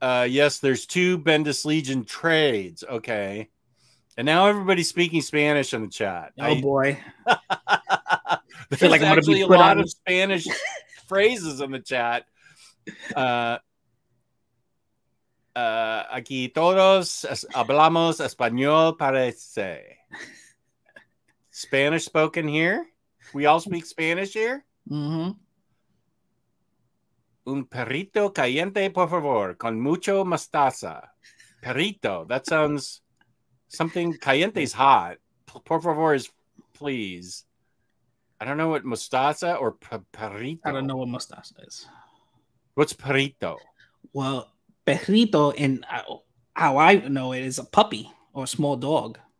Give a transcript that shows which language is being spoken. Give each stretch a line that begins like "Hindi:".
English: Yes, there's two Bendis Legion trades. Okay. And now everybody's speaking Spanish in the chat. Oh, boy. There's like actually a lot of Spanish phrases in the chat.
Spanish: Aquí todos hablamos español, parece.
English: Spanish spoken here? We all speak Spanish here? Mm-hmm.
Spanish: un perrito caliente, por favor, con mucho mostaza.
English: Perrito, that sounds something. Caliente is hot.
Spanish: Por favor
English: is please. I don't know what mostaza or perrito. I don't know what mostaza is. What's perrito? Well, perrito, in how I know it, is a puppy or a small dog.